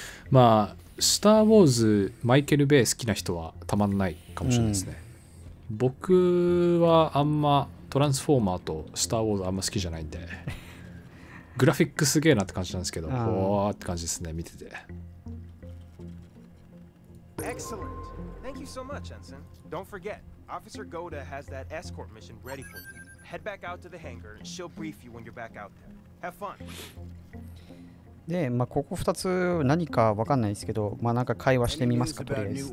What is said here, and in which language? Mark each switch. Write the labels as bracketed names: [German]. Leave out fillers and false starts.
[Japanese] まあスターウォーズマイケルベイ好きな人はたまんないかもしれないですね、うん、僕はあんまトランスフォーマーとスターウォーズあんま好きじゃないんで、グラフィックすげえなって感じなんですけど、おーって感じですね見てて。 [English] Excellent. Thank you so much, Ensign. Don't forget, Officer Goda has that escort mission ready for you. Head back out to the hangar and she'll brief you when you're back out there. Have fun. [Japanese] で、まあここ2つ何かわかんないですけど、まあなんか会話してみますかとりあえず。